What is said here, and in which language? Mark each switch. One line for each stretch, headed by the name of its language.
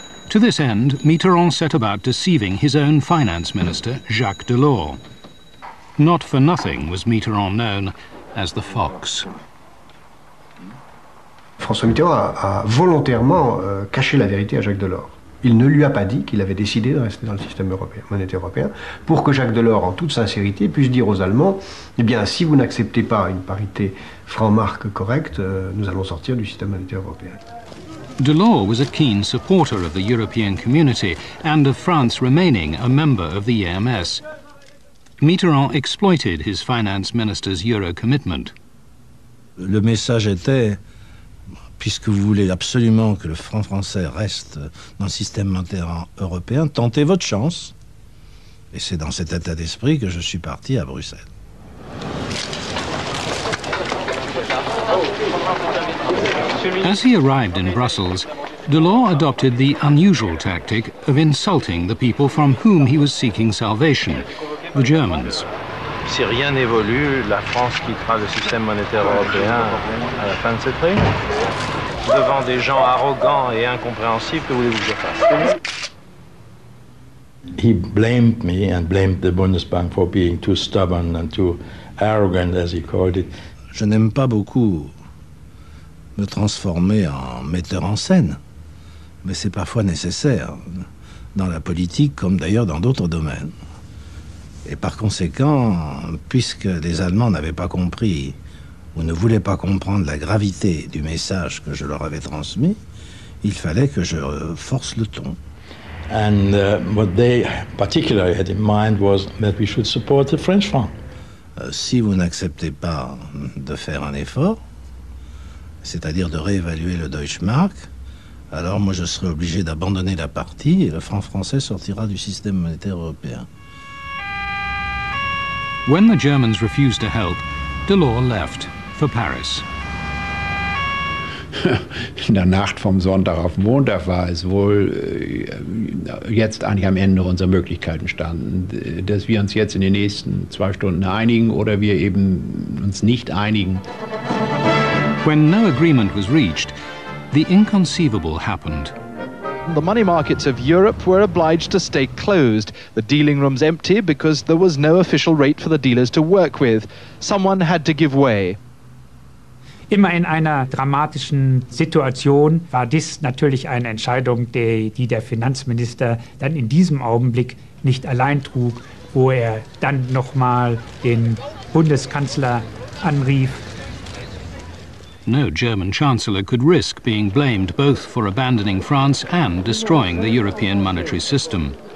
English: To this end, Mitterrand set about deceiving his own finance minister, Jacques Delors. Not for nothing was Mitterrand known as the Fox.
French: François Mitterrand a volontairement caché la vérité à Jacques Delors. Il ne lui a pas dit qu'il avait décidé de rester dans le système européen, monétaire européen, pour que Jacques Delors, en toute sincérité, puisse dire aux Allemands, eh bien, si vous n'acceptez pas une parité franc-marque correcte, nous allons sortir du système monétaire européen.
English: Delors was a keen supporter of the European community and of France remaining a member of the EMS. Mitterrand exploited his finance minister's euro commitment.
French: Le message était: puisque vous voulez absolument que le franc français reste dans le système monétaire européen, tentez votre chance. Et c'est dans cet état d'esprit que je suis parti à Bruxelles.
English: As he arrived in Brussels, Delors adopted the unusual tactic of insulting the people from whom he was seeking salvation, the Germans.
French: Si rien n'évolue, la France quittera le système monétaire européen à la fin de cette réunion. Devant des gens arrogants et incompréhensibles, que voulez-vous que je fasse?
English: He blamed me and blamed the Bundesbank for being too stubborn and too arrogant, as he called it.
French: Je n'aime pas beaucoup me transformer en metteur en scène, mais c'est parfois nécessaire, dans la politique comme d'ailleurs dans d'autres domaines. Et par conséquent, puisque les Allemands n'avaient pas compris ou ne voulaient pas comprendre la gravité du message que je leur avais transmis, il fallait que je force le ton.
English: And what they particularly had in mind was that we should support the French franc.
French: Si vous n'acceptez pas de faire un effort, c'est-à-dire de réévaluer le Deutsche Mark, alors moi je serai obligé d'abandonner la partie et le franc français sortira du système monétaire européen.
English: When the Germans refused to help, Delors left for Paris.
German: In der Nacht vom Sonntag auf Montag war es wohl jetzt eigentlich am Ende unserer Möglichkeiten standen, dass wir uns jetzt in den nächsten zwei Stunden einigen oder wir eben uns nicht einigen.
English: When no agreement was reached, the inconceivable happened. The money markets of Europe were obliged to stay closed, the dealing rooms empty because there was no official rate for the dealers to work with. Someone had to give way.
German: Immer in einer dramatischen Situation war dies natürlich eine Entscheidung, die der Finanzminister dann in diesem Augenblick nicht allein trug, wo er dann nochmal den Bundeskanzler anrief.
English: No German Chancellor could risk being blamed both for abandoning France and destroying the European monetary system.